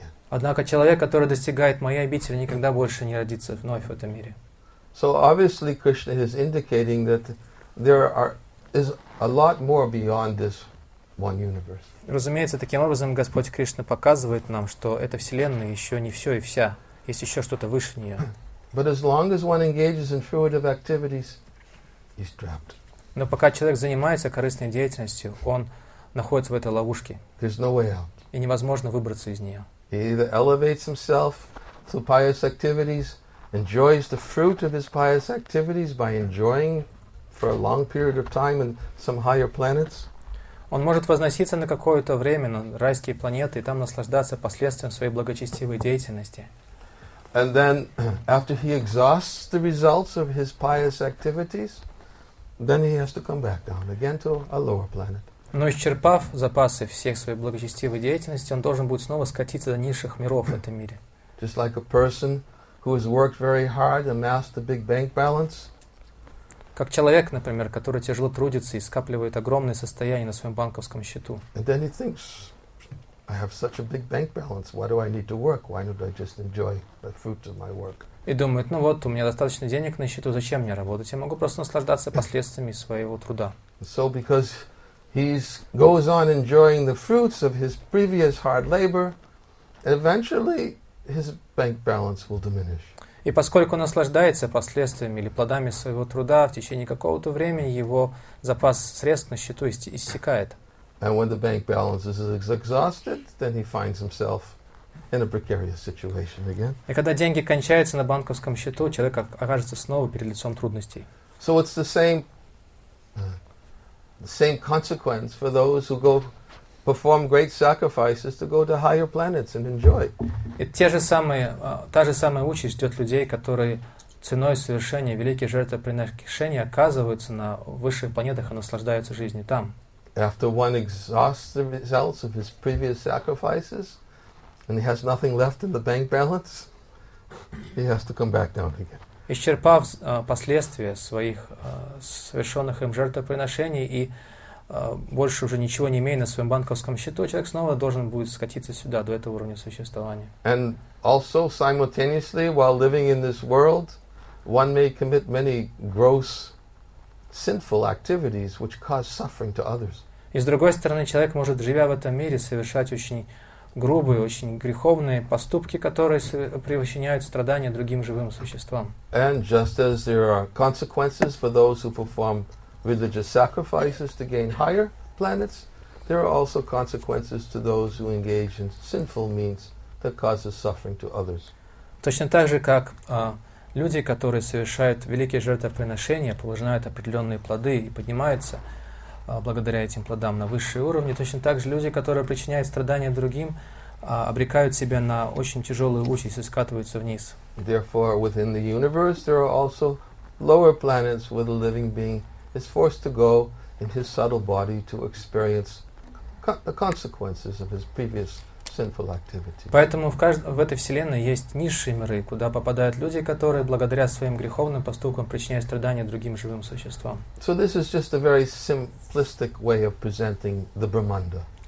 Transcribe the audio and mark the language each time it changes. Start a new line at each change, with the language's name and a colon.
Russian: Однако человек, который достигает моей обители, никогда больше не родится вновь в этом мире.
English: So obviously Krishna is indicating that there is a lot more beyond this one universe.
Russian: Разумеется, таким образом Господь Кришна показывает нам, что эта вселенная еще не все и вся. Есть еще что-то выше нее.
English: But as long as one engages in fruitive activities, he's trapped.
Russian: Но пока человек занимается корыстной деятельностью, он находится в этой ловушке.
English: There's no way out.
Russian: И невозможно выбраться из нее.
English: He either elevates himself through pious activities, enjoys the fruit of his pious activities by enjoying for a long period of time in some higher planets.
Russian: Он может возноситься на какое-то время на райские планеты и там наслаждаться последствиями своей благочестивой деятельности.
English: And then, after he exhausts the results of his pious activities, then he has to come back down again to a lower planet.
Russian: Но исчерпав запасы всех своей благочестивой деятельности, он должен будет снова скатиться до низших миров в этом мире.
English: Just like a person who has worked very hard and amassed a big bank balance.
Russian: Как человек, например, который тяжело трудится и скапливает огромные состояния на своем банковском счету.
English: And then he thinks, I have such a big bank balance. Why do I need to work? Why don't I just enjoy the fruits of my work?
Russian: И думает, ну вот, у меня достаточно денег на счету, зачем мне работать? Я могу просто наслаждаться последствиями своего труда.
English: So because he goes on enjoying the fruits of his previous hard labor, eventually his bank balance will diminish.
Russian: И поскольку он наслаждается последствиями или плодами своего труда, в течение какого-то времени его запас средств на счету иссякает.
English: And when the bank balance is exhausted, then he finds himself in a precarious situation again.
Russian: И когда деньги кончаются на банковском счету, человек окажется снова перед лицом трудностей.
English: So it's the same consequence for those who go perform great sacrifices to go to higher planets and enjoy.
Russian: И та же самая участь ждет людей, которые ценой совершения великих жертвоприношений оказываются на высших планетах и наслаждаются жизнью там.
English: After one exhausts the results of his previous sacrifices and he has nothing left in the bank balance, he has to come back down again.
Russian: Исчерпав последствия своих совершенных им жертвоприношений и больше уже ничего не имея на своем банковском счету, человек снова должен будет скатиться сюда, до этого уровня существования.
English: And also, simultaneously, while living in this world, one may commit many gross sinful activities which cause suffering to others.
Russian: И с другой стороны, человек может, живя в этом мире, совершать очень грубые, очень греховные поступки, которые причиняют страдания другим живым существам.
English: And just as there are consequences for those who perform religious sacrifices to gain higher planets, there are also consequences to those who engage in sinful means that causes suffering to others.
Russian: Точно так же, как люди, которые совершают великие жертвоприношения, положают определенные плоды и поднимаются благодаря этим плодам на высшие уровни, точно так же люди, которые причиняют страдания другим, обрекают себя на очень тяжелую участь и скатываются вниз.
English: Therefore, within the universe, there are also lower planets where the living being is forced to go in his subtle body to experience the consequences of his previous sinful activity.
Russian: Поэтому в этой вселенной есть низшие миры, куда попадают люди, которые благодаря своим греховным поступкам причиняют страдания другим живым существам.
English: So this is just a very simplistic way of presenting the Brahmanda.